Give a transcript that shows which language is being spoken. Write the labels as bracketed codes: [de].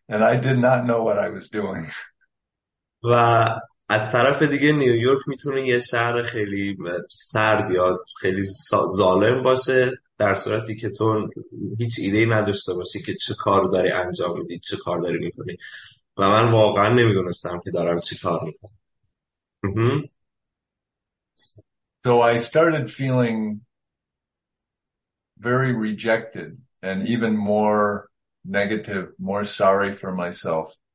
[en] I did not know what I was doing. [fa] و از طرف دیگه نیویورک میتونه یه شهر خیلی سرد یا خیلی ظالم باشه، در صورتی که تو هیچ ایده‌ای نداشته باشی که چه کار داری انجام میدی، چه کار داری میکنی. و من واقعا نمیدونستم که دارم چه کار میکنم. [en] So I started feeling very rejected and even more negative, more sorry for myself.